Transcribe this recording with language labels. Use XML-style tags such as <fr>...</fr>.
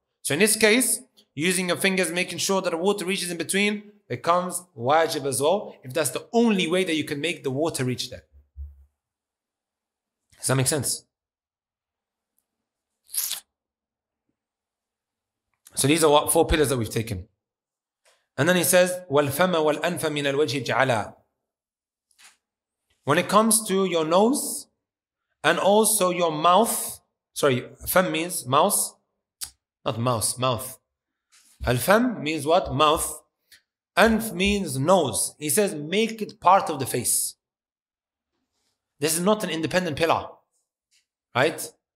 <en>So in this case, using your fingers, making sure that the water reaches in between, becomes wajib as well, if that's the only way that you can make the water reach there. Does that make sense? So these are what four pillars that we've taken. And then he says,</en> <ar>وَالْفَمَ وَالْأَنْفَ مِنَ الْوَجْهِ جَعَلَى.</ar> <en>When it comes to your nose and also your mouth, sorry, fam means mouth, not mouse, mouth. Al-fam means what? Mouth. Anf means nose. He says, make it part of the face. This is not an independent pillar, right?</en>